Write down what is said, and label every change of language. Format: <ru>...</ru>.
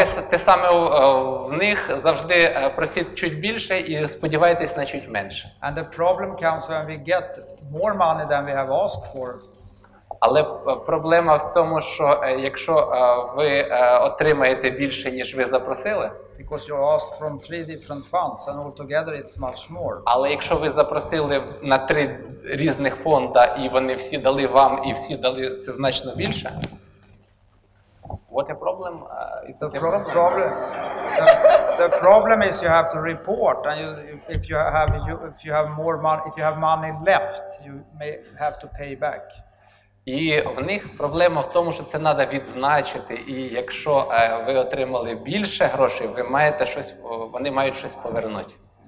<uk>Те саме в них завжди просить чуть більше і сподіваєтесь на чуть менше.</uk> <en>And the problem comes when we get more money than we have asked for.</en> <uk>Але проблема в тому, що якщо ви отримаєте більше, ніж ви запросили,</uk> <en>because you asked from 3 different funds and altogether it's much more.</en> <uk>Але якщо ви запросили на 3 різних фонда і вони всі дали вам і всі дали це значно більше.</uk> <en>What a problem? The problem is you have to report and if you have money left, you may have to pay back.</en> <uk>І в них проблема в тому, що це треба відзначити, і якщо ви отримали більше грошей, ви маєте щось, вони мають щось повернути.</uk>